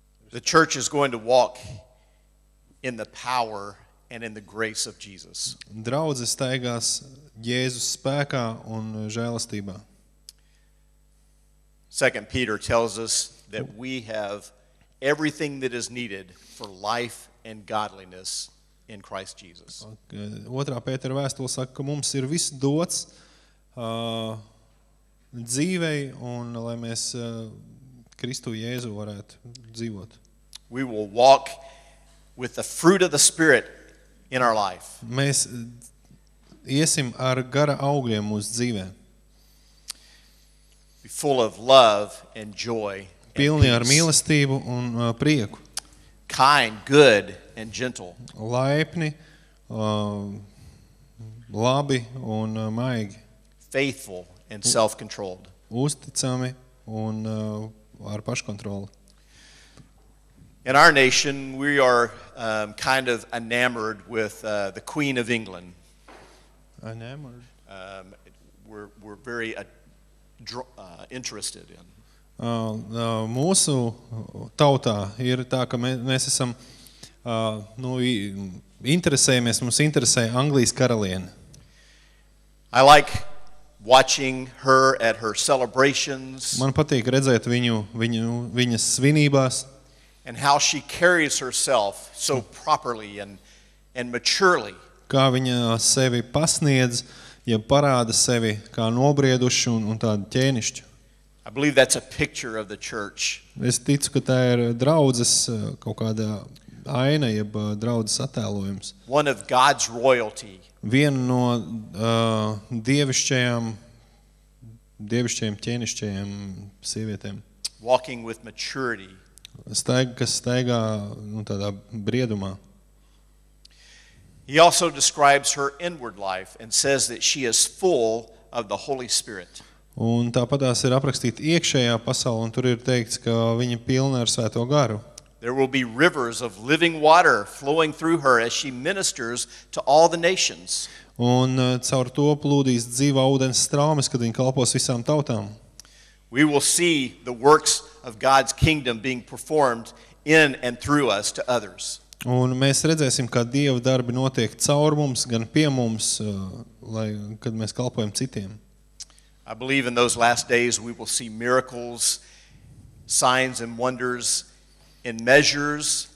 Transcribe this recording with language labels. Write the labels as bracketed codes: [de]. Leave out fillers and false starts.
[en] The church is going to walk in the power and in the grace of Jesus. [lv] Draudze staigās Jēzus spēkā un žēlastībā. [en] 2 Peter tells us that we have everything that is needed for life and godliness in Christ Jesus. [lv] Otrā Pētera vēstule saka, ka mums ir viss dots dzīvei un lai mēs Kristu Jēzu varētu dzīvot. [en] We will walk with the fruit of the Spirit in our life. [lv] Mēs iesim ar gara augļiem mūsu dzīvē. [en] Be full of love and joy. [lv] Pilni ar mīlestību un prieku. [en] Kind, good and gentle. [lv] Laipni, labi un maigi. [en] Faithful and self-controlled. [lv] Uzticami un ar paškontroli. [en] In our nation, we are kind of enamored with the Queen of England. Enamored. We're very interested in. [lv] mūsu tautā ir tā, ka mēs esam nu, interesējamies, mums interesē Anglijas karaliene. [en] I like watching her at her celebrations. [lv] Man patīk redzēt viņu, viņas svinībās. [en] And how she carries herself so properly and maturely. [lv] Kā viņa sevi pasniedz, ja parāda sevi kā nobriedušu un tādu ķēnišķu. [en] I believe that's a picture of the church. [lv] Es ticu, ka tā ir draudzes kaut kāda aina jeb draudzes attēlojums. [en] One of God's royalty. [lv] Viena no dievišķajām ķēnišķajām sievietēm. [en] Walking with maturity. [lv] Kas staigā nu, tādā briedumā. [en] He also describes her inward life and says that she is full of the Holy Spirit. [lv] Un tāpatās ir aprakstīt iekšējā pasaulē, un tur ir teikts, ka viņa pilna ar Svēto garu. [en] There will be rivers of living water flowing through her as she ministers to all the nations. [lv] Un caur to plūdīs dzīvā ūdens straumes, kad viņa kalpos visām tautām. [en] We will see the works of God's kingdom being performed in and through us to others. [lv] Un mēs redzēsim, kā Dieva darbi notiek caur mums, gan pie mums, lai, kad mēs kalpojam citiem. [en] I believe in those last days we will see miracles, signs and wonders in measures.